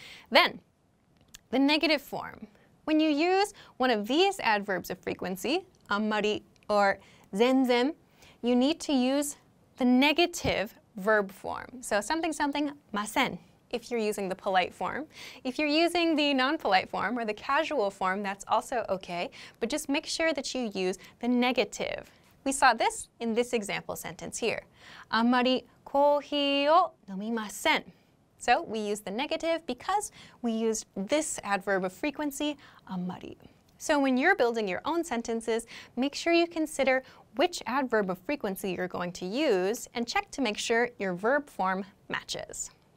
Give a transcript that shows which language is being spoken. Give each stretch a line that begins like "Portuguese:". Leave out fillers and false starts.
English: Then, the negative form. When you use one of these adverbs of frequency, あんまり or 全然, you need to use the negative verb form. So something something ません, if you're using the polite form. If you're using the non-polite form or the casual form, that's also okay, but just make sure that you use the negative. We saw this in this example sentence here.
Japanese: あまりコーヒーを飲みません.
English: So we use the negative because we used this adverb of frequency, あまり. So when you're building your own sentences, make sure you consider which adverb of frequency you're going to use and check to make sure your verb form matches.